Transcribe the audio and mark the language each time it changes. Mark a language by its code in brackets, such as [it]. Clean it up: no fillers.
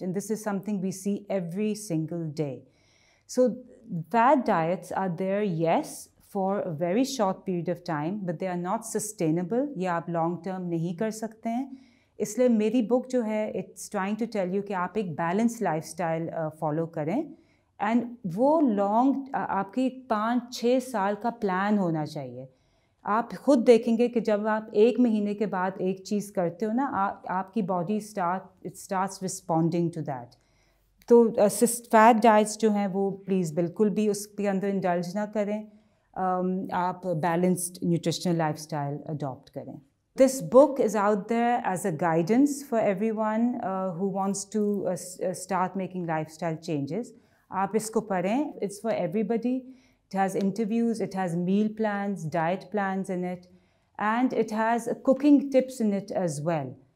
[en] And this is something we see every single day. So fad diets are there, yes, for a very short period of time, but they are not sustainable. [ur] Ye aap long term nahi kar sakte hain. Isliye meri book jo hai, [en] it's trying to tell you [ur] ki aap ek balanced lifestyle follow karein. And وہ long آپ کی 5-6 سال کا plan ہونا چاہیے. آپ خود دیکھیں گے کہ جب آپ ایک مہینے کے بعد ایک چیز کرتے ہو نا، آپ کی body [en] Starts responding to that. [ur] تو فیٹ ڈائٹس جو ہیں وہ پلیز بالکل بھی اس کے اندر انڈلج نہ کریں، آپ balanced nutritional life style adapt کریں. [en] This book is out there as a guidance for everyone who wants to start making lifestyle changes. [ur] آپ اس کو پڑھیں، [en] It's for everybody. It has interviews, it has meal plans, diet plans in it, and it has cooking tips in it as well.